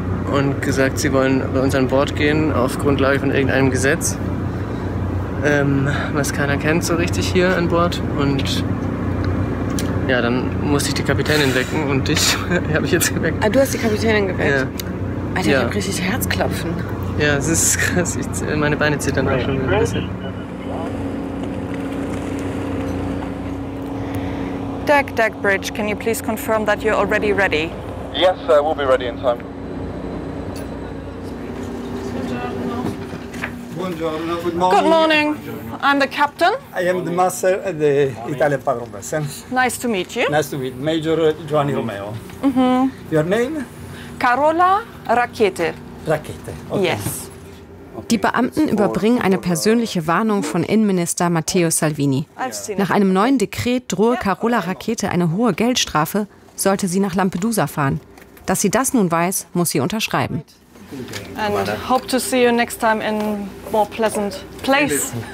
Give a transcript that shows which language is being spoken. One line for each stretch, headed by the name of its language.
German: Und gesagt, sie wollen bei uns an Bord gehen, auf Grundlage von irgendeinem Gesetz, was keiner kennt so richtig hier an Bord. Und ja, dann musste ich die Kapitänin wecken und dich habe ich jetzt geweckt. Ah, du hast die Kapitänin geweckt? Ja. Alter, ich habe richtig Herzklopfen. Ja, es ist krass, meine Beine zittern auch schon ein bisschen.
English: Deck Bridge, can you please confirm that you're already ready? Yes, sir, we'll be ready in time. Good morning. I'm the captain. I am the master of the Italian Patrol Vessel. Nice to meet you. Nice to meet you. Major Giovanni Romeo. Mm-hmm. Your name? Carola Rakete. Rakete, okay. Yes.
German: Die Beamten überbringen eine persönliche Warnung von Innenminister Matteo Salvini. Nach einem neuen Dekret drohe Carola Rakete eine hohe Geldstrafe, sollte sie nach Lampedusa fahren. Dass sie das nun weiß, muss sie unterschreiben.
English: And hope to see you next time in more pleasant place.